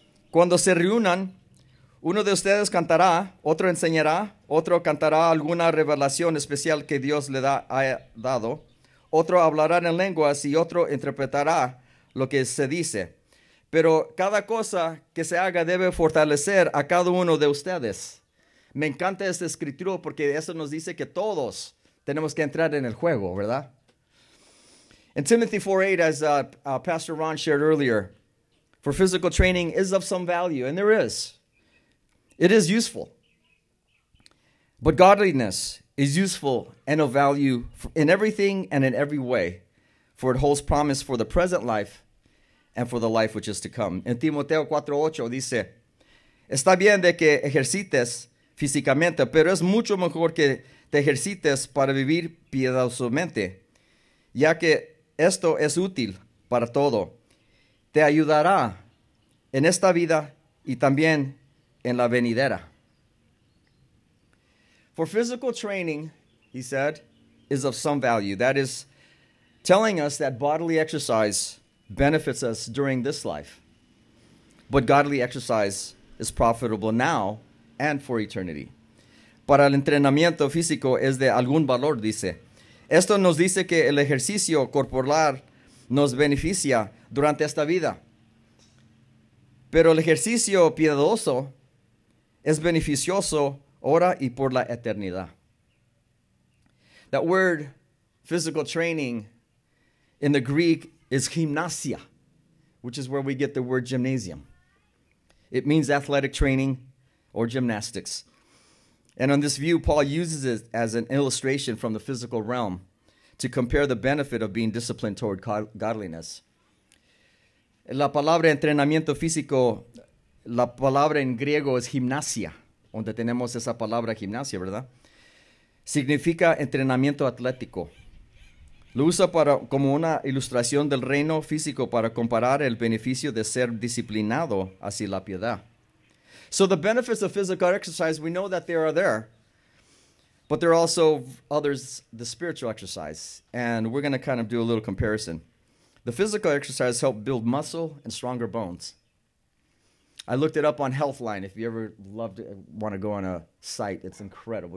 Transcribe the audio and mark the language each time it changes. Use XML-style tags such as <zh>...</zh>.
<es>Cuando se reúnan, uno de ustedes cantará, otro enseñará, otro cantará alguna revelación especial que Dios le ha dado, otro hablará en lenguas y otro interpretará lo que se dice. Pero cada cosa que se haga debe fortalecer a cada uno de ustedes. Me encanta esta escritura porque eso nos dice que todos tenemos que entrar en el juego, ¿verdad?</es> <en>In Timothy 4:8, as Pastor Ron shared earlier, for physical training is of some value, and there is. It is useful. But godliness is useful and of value in everything and in every way, for it holds promise for the present life and for the life which is to come.</en> <es>En Timoteo 4:8 dice, está bien de que ejercites físicamente, pero es mucho mejor que te ejercites para vivir piadosamente, ya que esto es útil para todo. Te ayudará en esta vida y también en la venidera.</es> <en>For physical training, he said, is of some value. That is telling us that bodily exercise benefits us during this life. But godly exercise is profitable now and for eternity.</en> <es>Para el entrenamiento físico es de algún valor, dice. Esto nos dice que el ejercicio corporal nos beneficia durante esta vida. Pero el ejercicio piadoso es beneficioso ahora y por la eternidad.</es> <en>That word, physical training, in the Greek is gymnasia, which is where we get the word gymnasium. It means athletic training or gymnastics. And on this view, Paul uses it as an illustration from the physical realm to compare the benefit of being disciplined toward godliness.</en> <es>La palabra entrenamiento físico, la palabra en griego es gimnasia, donde tenemos esa palabra gimnasia, ¿verdad? Significa entrenamiento atlético. Lo usa para, como una ilustración del reino físico para comparar el beneficio de ser disciplinado hacia la piedad.</es> <en>So the benefits of physical exercise, we know that they are there. But there are also others, the spiritual exercise. And we're going to kind of do a little comparison. The physical exercise help build muscle and stronger bones. I looked it up on Healthline. If you ever loved it, want to go on a site, it's incredible.</en>